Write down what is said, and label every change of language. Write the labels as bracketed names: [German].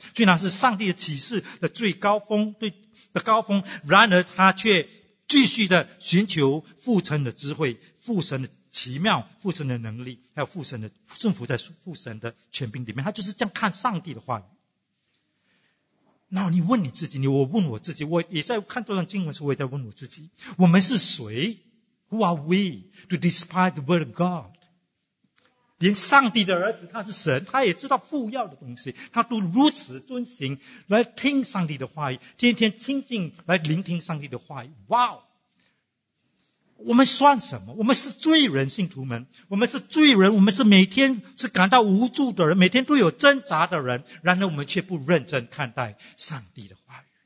[Chinese] 虽然是上帝的启示的最高峰，对的高峰，然而他却继续的寻求父神的智慧，父神的奇妙，父神的能力，还有父神的顺服，在父神的权柄里面，他就是这样看上帝的话语。那你问你自己，你我问我自己，我也在看这段经文时，我也在问我自己，我们是谁？ [English] Who are we to despise the word of God? [Chinese] 连上帝的儿子他是神，他也知道父要的东西，他都如此遵行来听上帝的话语，天天亲近来聆听上帝的话语。哇、wow! 我们算什么？我们是罪人，信徒们，我们是罪人，我们是每天是感到无助的人，每天都有挣扎的人，然而我们却不认真看待上帝的话语。